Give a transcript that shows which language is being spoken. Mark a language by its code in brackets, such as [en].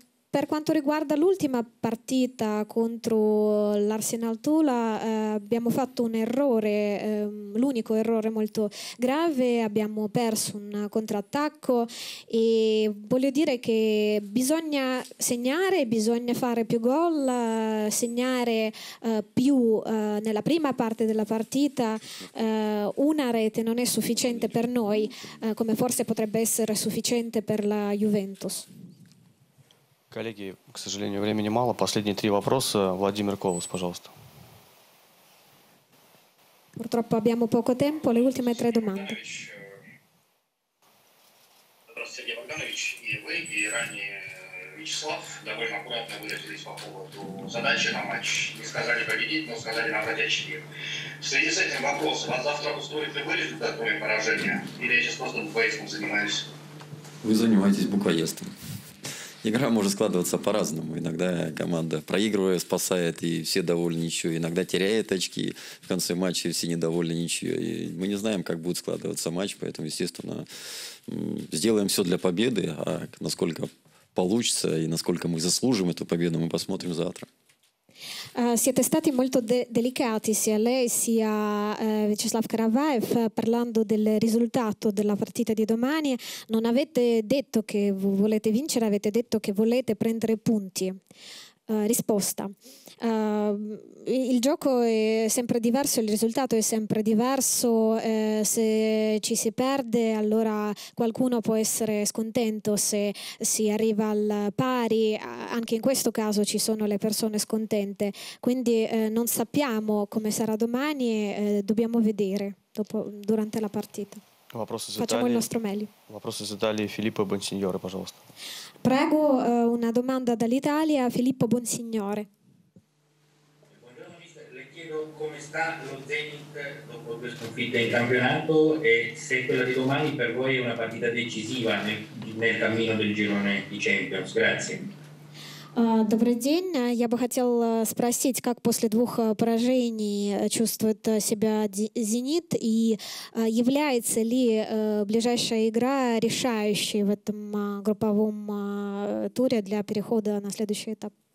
[it] Per quanto riguarda l'ultima partita contro l'Arsenal Tula, abbiamo fatto un errore, l'unico errore molto grave, abbiamo perso un contrattacco e voglio dire che bisogna segnare, bisogna fare più gol, segnare più nella prima parte della partita, una rete non è sufficiente per noi, come forse potrebbe essere sufficiente per la Juventus. [ru] Коллеги, к сожалению, времени мало. Последние три вопроса. Владимир Ковас, пожалуйста. [it] Purtroppo abbiamo poco tempo. Le ultime tre domande. [ru] Здравствуйте, Сергей Богданович. И вы, и ранее Вячеслав довольно аккуратно выразились по поводу задачи на матч. Не сказали победить, но сказали набрать очки. В связи с этим вопрос. Вас завтра устроит любой результат, кроме поражения? Или я сейчас просто букваистом занимаюсь? Вы занимаетесь букваистом. Игра может складываться по-разному. Иногда команда проигрывая, спасает, и все довольны ничьей. Иногда теряет очки в конце матча, и все недовольны ничьей. Мы не знаем, как будет складываться матч, поэтому, естественно, сделаем все для победы. А насколько получится и насколько мы заслужим эту победу, мы посмотрим завтра. [it] Siete stati molto delicati sia lei sia Vyacheslav Karavaev parlando del risultato della partita di domani. Non avete detto che volete vincere, avete detto che volete prendere punti. Risposta. Il gioco è sempre diverso, il risultato è sempre diverso. Se ci si perde, allora qualcuno può essere scontento. Se si arriva al pari, anche in questo caso ci sono le persone scontente. Quindi non sappiamo come sarà domani, dobbiamo vedere durante la partita. Facciamo il nostro meglio. [ru] Вопросы задали Филиппо Бонсиньоре, пожалуйста. [it] Prego, una domanda dall'Italia, Filippo Bonsignore. Buongiorno, mister. Le chiedo come sta lo Zenit dopo due sconfitte in campionato e se quella di domani per voi è una partita decisiva nel cammino del girone di Champions. Grazie. [ru] Добрый день. Я бы хотел спросить, как после двух поражений чувствует себя «Зенит» и является ли ближайшая игра решающей в этом групповом туре для перехода на следующий этап?